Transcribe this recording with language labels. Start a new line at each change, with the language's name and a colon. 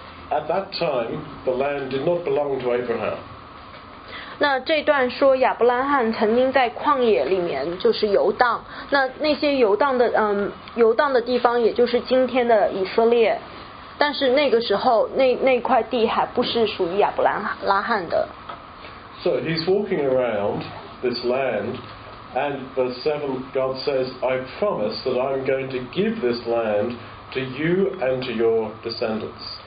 English: At that time, the land did not belong to Abraham.
Chinese: 那这段说亚伯拉罕曾经在旷野里面，就是游荡。那些游荡的地方，也就是今天的以色列。但是那个时候，那块地还不是属于亚伯拉罕的。
English: So he's walking around this land, and verse 7, God says, I promise that I'm going to give this land to you and to your descendants.